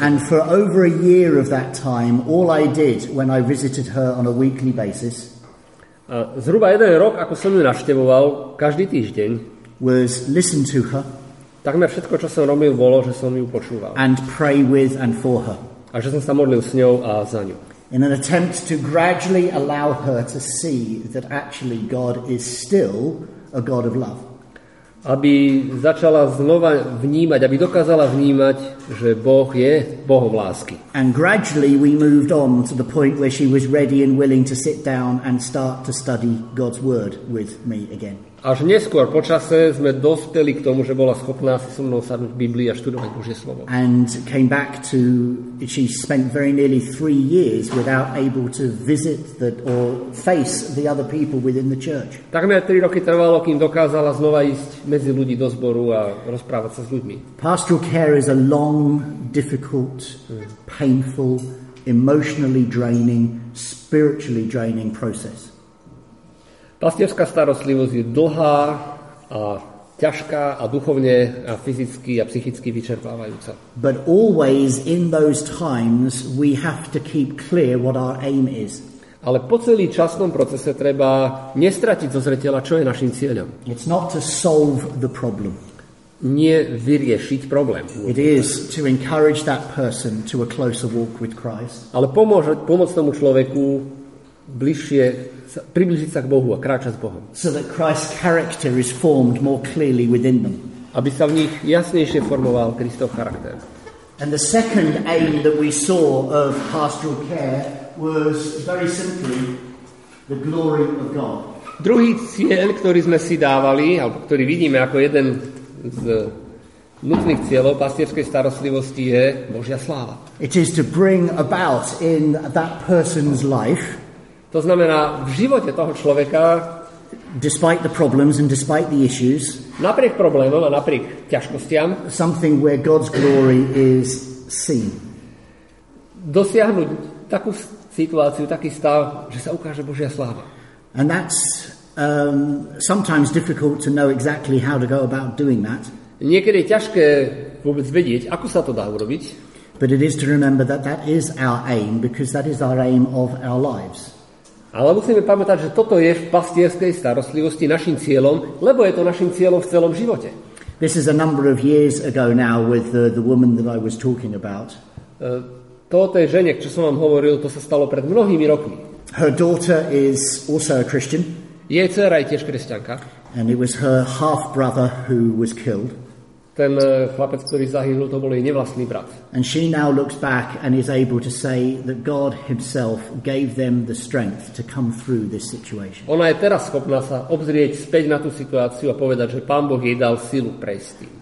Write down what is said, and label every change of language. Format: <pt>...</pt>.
<en>And for over a year of that time all I did when I visited her on a weekly basis.</en> <sk>A zhruba jeden rok, ako som ju navštevoval každý týždeň,</sk> <en>was listen to her.</en> <sk>Takmer všetko, čo som robil, bolo, že som ju počúval.</sk> <en>And pray with and for her.</en> <sk>A že som sa modlil s ňou a za ňu.</sk> <en>In an attempt to gradually allow her to see that actually God is still a God of love.</en> <sk>Aby začala znova vnímať, aby dokázala vnímať, že Boh je Bohom lásky.</sk> <en>And gradually we moved on to the point where she was ready and willing to sit down and start to study God's word with me again.</en> <sk>Až neskôr, po čase, sme dospeli k tomu, že bola schopná si so mnou sadnúť v Biblii a študovať Božie slovo.</sk> <en>And came back to, she spent very nearly 3 years without able to visit the, or face the other people within the church.</en> <sk>Takmer 3 roky trvalo, kým dokázala znova ísť medzi ľudí do zboru a rozprávať sa s ľuďmi.</sk> <en>Pastoral care is a long, difficult, painful, emotionally draining, spiritually draining process.</en> <sk>Pastierská starostlivosť je dlhá a ťažká a duchovne a fyzicky a psychicky vyčerpávajúca.</sk> <en>But always in those times we have to keep clear what our aim is.</en> <sk>Ale po celý časnom procese treba nestratiť zo zreteľa, čo je našim cieľom.</sk> <en>It's not to solve the problem.</en> <sk>Nie vyriešiť problém.</sk> <en>It is to encourage that person to a closer walk with Christ.</en> <sk>Ale pomôcť tomu človeku bližšie približiť sa k Bohu a kráčať s Bohom.</sk> <en>So that Christ's character is formed more clearly within them.</en> <sk>Aby sa v nich jasnejšie formoval Kristov charakter.</sk> <en>And the second aim that we saw of pastoral care was very simply the glory of God.</en> <sk>Druhý cieľ, ktorý sme si dávali, alebo ktorý vidíme ako jeden z nutných cieľov pastierskej starostlivosti, je Božia sláva.</sk> <en>It is to bring about in that person's life.</en> <sk>To znamená v živote toho človeka,</sk> <en>despite the problems and despite the issues,</en> <sk>napriek problémom a napriek ťažkostiam,</sk> <en>something where God's glory is seen.</en> <sk>Dosiahnuť takú situáciu, taký stav, že sa ukáže Božia sláva.</sk> <en>And that's sometimes difficult to know exactly how to go about doing that.</en> <sk>Niekedy je ťažké vôbec vedieť, ako sa to dá urobiť.</sk> <en>But it is to remember that that is our aim, because that is our aim of our lives.</en> <sk>Ale musíme pamätať, že toto je v pastierskej starostlivosti našim cieľom, lebo je to našim cieľom v celom živote.</sk> <en>This is a number of years ago now with the woman that I was talking about.</en> <sk>Toto je žene, čo som vám hovoril, to sa stalo pred mnohými rokmi.</sk> <en>Her daughter is also a Christian.</en> <sk>Jej dcera je tiež kresťanka.</sk> <en>And it was her half-brother who was killed.</en> <sk>Ten chlapec, ktorý zahynul, to bol jej nevlastný brat.</sk> <en>And she now looks back and is able to say that God himself gave them the strength to come through this situation.</en> <sk>Ona je teraz schopná sa obzrieť späť na tú situáciu a povedať, že Pán Boh jej dal silu prejsť tým.</sk>